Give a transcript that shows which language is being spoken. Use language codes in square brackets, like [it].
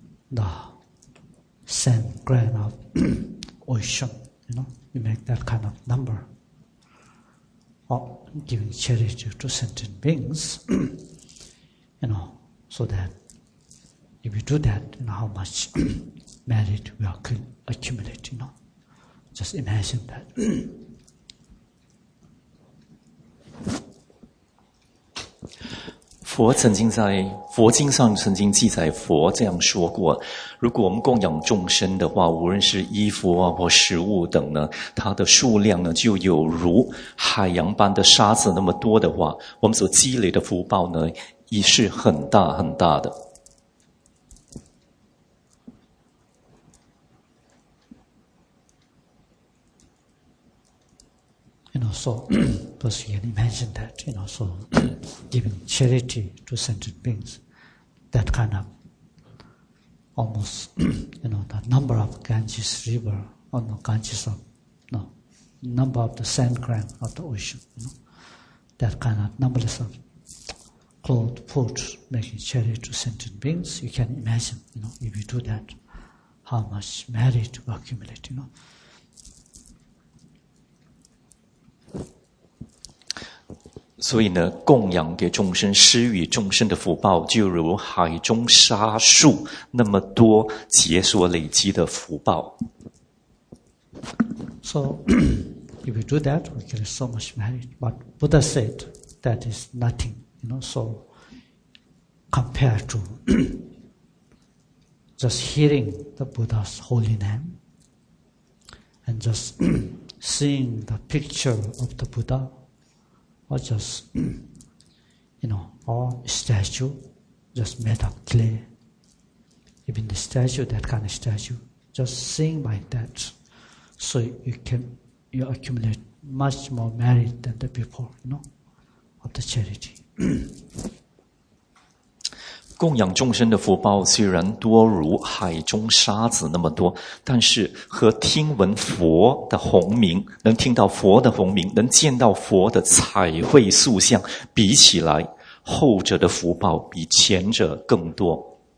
[en] the same grain of ocean, you know, you make that kind of number of giving charity to sentient beings, you know, so that if you do that, you know, how much merit we accumulate, you know, just imagine that. [zh] 佛经上曾经记载佛这样说过，如果我们供养众生的话，无论是衣服啊或食物等呢，它的数量呢就有如海洋般的沙子那么多的话，我们所积累的福报呢也是很大很大的。 [en] So, because you can imagine that, you know, so giving charity to sentient beings, that kind of almost, you know, the number of Ganges River, or no, Ganges of, no, number of the sand grain of the ocean, you know, that kind of numberless of clothes, food, making charity to sentient beings, you can imagine, you know, if you do that, how much merit will accumulate, you know. 所以呢，供养给众生，施予众生的福报，就如海中沙数那么多劫所累积的福报。 So, if we do that, we get so much merit. But Buddha said that is nothing, you know. So, compared to just hearing the Buddha's holy name and just seeing the picture of the Buddha. Or just, you know, or statue, just made of clay. Even the statue, that kind of statue, just seeing by that. So you accumulate much more merit than the before, you know, of the charity. [zh] 供养众生的福报虽然多如海中沙子那么多，但是和听闻佛的洪名，能听到佛的洪名，能见到佛的彩绘塑像比起来，后者的福报比前者更多。